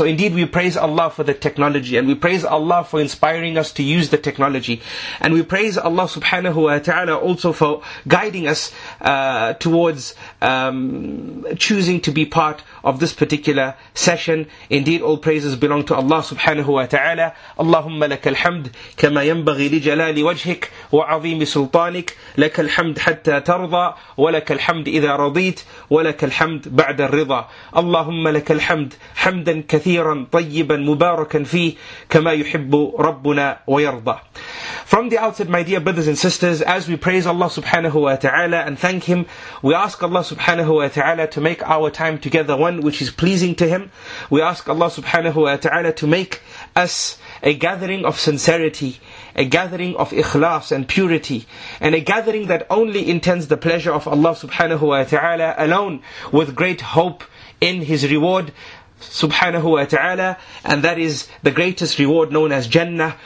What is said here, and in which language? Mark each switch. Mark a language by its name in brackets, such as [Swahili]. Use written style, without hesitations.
[English] So indeed we praise Allah for the technology, and we praise Allah for inspiring us to use the technology, and we praise Allah subhanahu wa ta'ala also for guiding us towards choosing to be part of this particular session. Indeed all praises belong to Allah subhanahu wa ta'ala. [Arabic] Allahumma laka alhamd kama yanbaghi li jalali wajhik wa azim sultanik, laka alhamd hatta tarda wa laka alhamd idha radit wa لك الحمد بعد الرضا. اللهم لك الحمد حمدا كثيرا طيبا مباركا فيه كما يحب ربنا ويرضى. [English] From the outset, my dear brothers and sisters, as we praise Allah subhanahu wa ta'ala and thank Him, we ask Allah subhanahu wa ta'ala to make our time together one which is pleasing to Him. We ask Allah subhanahu wa ta'ala to make us a gathering of sincerity, a gathering of ikhlas and purity, and a gathering that only intends the pleasure of Allah subhanahu wa ta'ala alone, with great hope in His reward subhanahu wa ta'ala, and that is the greatest reward known as Jannah.